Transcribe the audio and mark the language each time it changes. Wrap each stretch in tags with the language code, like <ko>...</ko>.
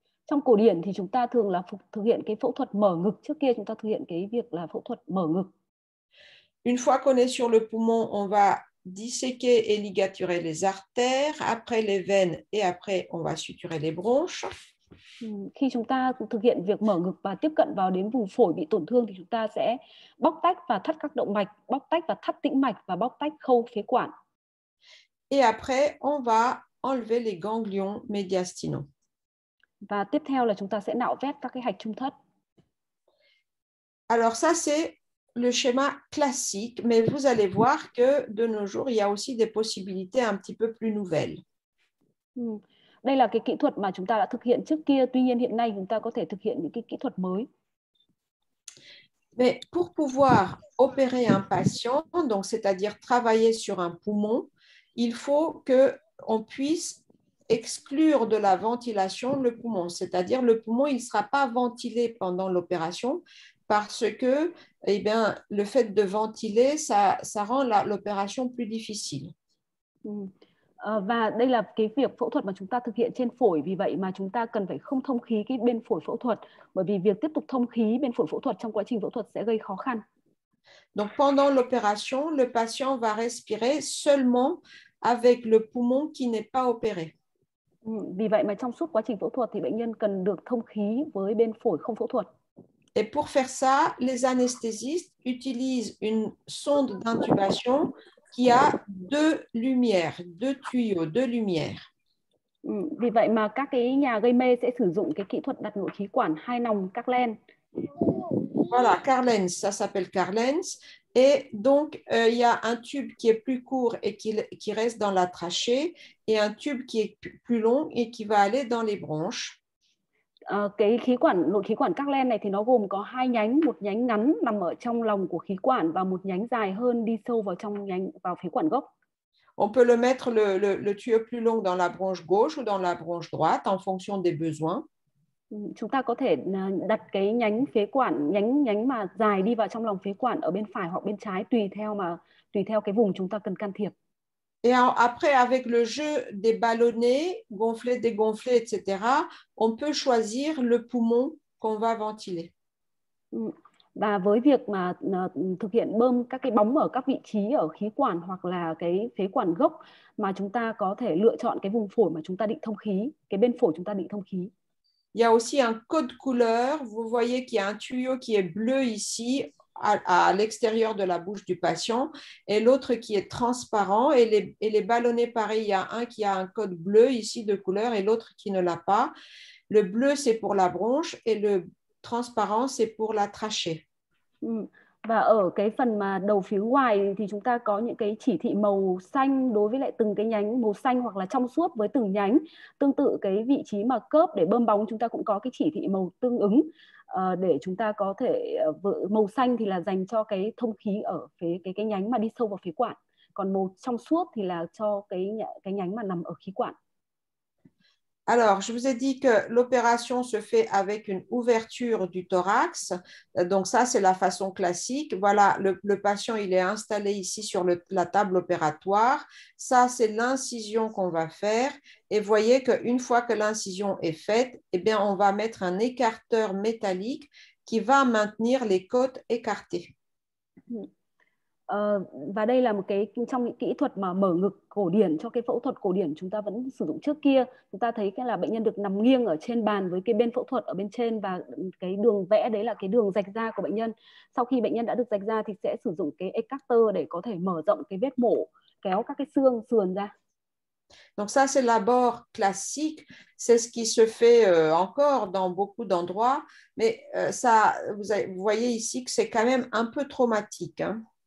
<vi>Trong cổ điển thì chúng ta thường là thực hiện cái phẫu thuật mở ngực. Trước kia chúng ta thực hiện cái việc là phẫu thuật mở ngực.</vi> <fr>Une fois qu'on est sur le poumon, on va disséquer et ligaturer les artères, après les veines et après on va suturer les bronches.</fr> <vi>Khi chúng ta thực hiện việc mở ngực và tiếp cận vào đến vùng phổi bị tổn thương thì chúng ta sẽ bóc tách và thắt các động mạch, bóc tách và thắt tĩnh mạch và bóc tách khâu phế quản.</vi> <fr>Et après, on va enlever les ganglions médiastinaux.</fr> <vi>Và tiếp theo là chúng ta sẽ nạo vét các cái hạch trung thất.</vi> <fr>Alors ça, c'est le schéma classique, mais vous allez voir que de nos jours, il y a aussi des possibilités un petit peu plus nouvelles.</fr> <vi>Đây là cái kỹ thuật mà chúng ta đã thực hiện trước kia, tuy nhiên hiện nay chúng ta có thể thực hiện những cái kỹ thuật mới.</vi> <fr>Mais pour pouvoir opérer un patient, donc c'est-à-dire travailler sur un poumon, il faut qu'on puisse exclure de la ventilation le poumon. C'est-à-dire le poumon, il ne sera pas ventilé pendant l'opération parce que eh bien, le fait de ventiler, ça rend l'opération plus difficile.</fr> <vi>Và đây là cái việc phẫu thuật mà chúng ta thực hiện trên phổi, vì vậy mà chúng ta cần phải không thông khí cái bên phổi phẫu thuật, bởi vì việc tiếp tục thông khí bên phổi phẫu thuật trong quá trình phẫu thuật sẽ gây khó khăn.</vi> <fr>Donc, pendant l'opération, le patient va respirer seulement avec le poumon qui n'est pas opéré.</fr> <vi>Vì vậy mà trong suốt quá trình phẫu thuật thì bệnh nhân cần được thông khí với bên phổi không phẫu thuật.</vi> <fr>Et pour faire ça, les anesthésistes utilisent une sonde d'intubation qui a deux lumières, deux tuyaux, deux lumières.</fr> <vi>Vì vậy mà các cái nhà gây mê sẽ sử dụng cái kỹ thuật đặt nội khí quản hai nòng các len.</vi> <fr>Voilà, Carlens, ça s'appelle Carlens. Et donc, il y a un tube qui est plus court et qui reste dans la trachée, et un tube qui est plus long et qui va aller dans les bronches.</fr> <vi>Cái khí quản nội khí quản các len này thì nó gồm có hai nhánh, một nhánh ngắn nằm ở trong lòng của khí quản và một nhánh dài hơn đi sâu vào trong nhánh vào phế quản gốc.</vi> <fr>On peut le mettre le tuyau plus long dans la branche gauche ou dans la branche droite en fonction des besoins.</fr> <vi>Chúng ta có thể đặt cái nhánh phế quản nhánh nhánh mà dài đi vào trong lòng phế quản ở bên phải hoặc bên trái tùy theo cái vùng chúng ta cần can thiệp.</vi> <fr>Et après, avec le jeu des ballonnets, gonflés, dégonflés, etc., on peut choisir le poumon qu'on va ventiler.</fr> <vi>Và với việc mà thực hiện bơm các cái bóng ở các vị trí ở khí quản hoặc là cái phế quản gốc mà chúng ta có thể lựa chọn cái vùng phổi mà chúng ta định thông khí, cái bên phổi chúng ta định thông khí.</vi> <fr>Y a aussi un code couleur. Vous voyez qu'il y a un tuyau qui est bleu ici, à l'extérieur de la bouche du patient, et l'autre qui est transparent. Et les ballonnets, pareil, il y a un qui a un code bleu ici de couleur et l'autre qui ne l'a pas. Le bleu, c'est pour la bronche et le transparent, c'est pour la trachée.</fr> <vi>Và ở cái phần mà đầu phía ngoài thì chúng ta có những cái chỉ thị màu xanh đối với lại từng cái nhánh màu xanh hoặc là trong suốt với từng nhánh. Tương tự cái vị trí mà cớp để bơm bóng chúng ta cũng có cái chỉ thị màu tương ứng để chúng ta có thể màu xanh thì là dành cho cái thông khí ở cái nhánh mà đi sâu vào phế quản. Còn màu trong suốt thì là cho cái nhánh mà nằm ở khí quản.</vi> <fr>Alors, je vous ai dit que l'opération se fait avec une ouverture du thorax. Donc ça, c'est la façon classique. Voilà, le patient, il est installé ici sur la table opératoire. Ça, c'est l'incision qu'on va faire. Et vous voyez qu'une fois que l'incision est faite, eh bien, on va mettre un écarteur métallique qui va maintenir les côtes écartées.</fr> <vi>Và đây là một cái trong những kỹ thuật mà mở ngực cổ điển cho cái phẫu thuật cổ điển chúng ta vẫn sử dụng trước kia. Chúng ta thấy cái là bệnh nhân được nằm nghiêng ở trên bàn với cái bên phẫu thuật ở bên trên và cái đường vẽ đấy là cái đường rạch ra của bệnh nhân. Sau khi bệnh nhân đã được rạch ra thì sẽ sử dụng cái ecarter để có thể mở rộng cái vết mổ, kéo các cái xương sườn ra.</vi> <fr>Donc ça, c'est l'abord classique, c'est ce qui se fait encore dans beaucoup d'endroits, mais ça, vous voyez ici que c'est quand même un peu traumatique, hein.</fr>